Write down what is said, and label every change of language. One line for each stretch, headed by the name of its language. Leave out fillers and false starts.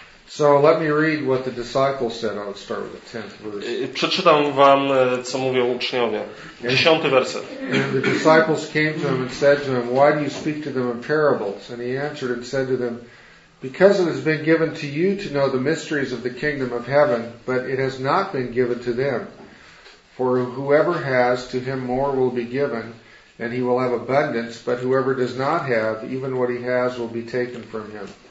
English: So let me read what the disciples said. I'll start with the 10th verse.
Polish: Przeczytam wam, co mówią uczniowie. 10 werset.
English: The disciples came to him and said to him, "Why do you speak to them in parables?" And he answered and said to them, "Because it has been given to you to know the mysteries of the kingdom of heaven, but it has not been given to them. For whoever has, to him more will be given, and he will have abundance, but whoever does not have, even what he has will be taken from him.